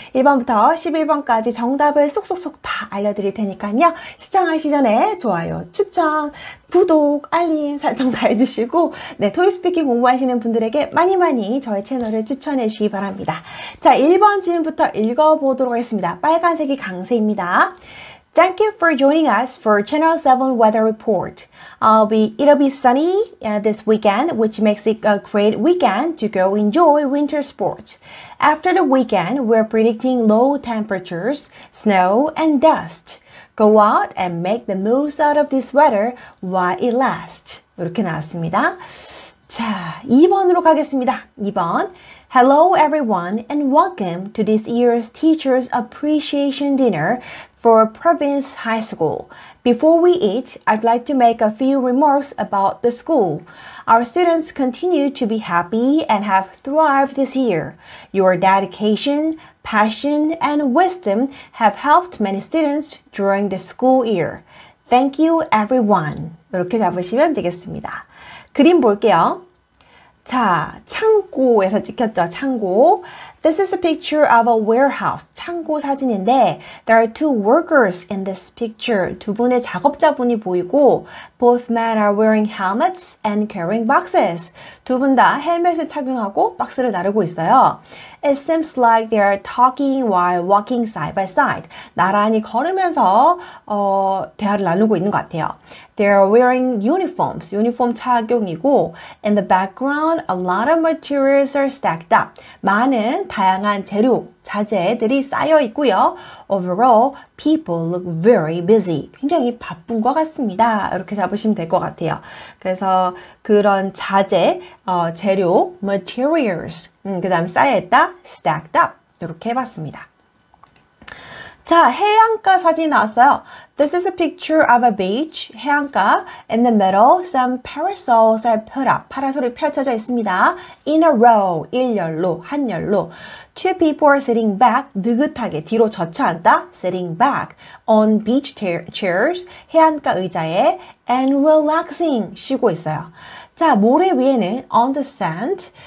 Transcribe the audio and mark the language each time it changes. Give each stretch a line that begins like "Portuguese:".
Korean: 1번부터 11번까지 정답을 쏙쏙쏙 다 알려드릴 테니까요. 시청하시기 전에 좋아요, 추천, 구독, 알림 설정 다 해주시고 네, 토익스피킹 공부하시는 분들에게 많이 많이 저의 채널을 추천해 주시기 바랍니다. 자, 1번 질문부터 읽어보도록 하겠습니다. 빨간색이 강세입니다.
English: Thank you for joining us for Channel 7 weather report. It'll be sunny this weekend, which makes it a great weekend to go enjoy winter sports. After the weekend, we're predicting low temperatures, snow, and dust. Go out and make the most out of this weather while it lasts.
Korean: 이렇게 나왔습니다. 자, 2번으로 가겠습니다. 2번.
English: Hello everyone and welcome to this year's Teachers Appreciation Dinner for Province High School. Before we eat, I'd like to make a few remarks about the school. Our students continue to be happy and have thrived this year. Your dedication, passion, and wisdom have helped many students during the school year. Thank you everyone.
Korean: 이렇게 잡으시면 되겠습니다. 그림 볼게요. 자, 창고에서 찍혔죠, 창고.
English: This is a picture of a warehouse,
Korean: 창고 사진인데
English: there are two workers in this picture.
Korean: 두 분의 작업자분이 보이고
English: both men are wearing helmets and carrying boxes.
Korean: 두 분 다 헬멧을 착용하고 박스를 나르고 있어요.
English: It seems like they are talking while walking side by side.
Korean: 나란히 걸으면서 대화를 나누고 있는 것 같아요.
English: They are wearing uniforms,
Korean: 유니폼 착용이고
English: in the background, a lot of materials are stacked up.
Korean: 많은 다양한 재료, 자재들이 쌓여 있고요.
English: Overall, people look very busy.
Korean: 굉장히 바쁜 것 같습니다. 이렇게 잡으시면 될 것 같아요. 그래서 그런 자재, 재료, materials, 그 다음 쌓여있다, stacked up. 이렇게 해봤습니다. 자, 해안가 사진이 나왔어요.
English: This is a picture of a beach, 해안가. In the middle, some parasols are put up.
Korean: 파라솔이 펼쳐져 있습니다.
English: In a row,
Korean: 일렬로, 한열로.
English: Two people are sitting back,
Korean: 느긋하게, 뒤로 젖혀 앉다.
English: Sitting back on beach chairs,
Korean: 해안가 의자에.
English: And relaxing,
Korean: 쉬고 있어요. 자, 모래 위에는
English: on the sand.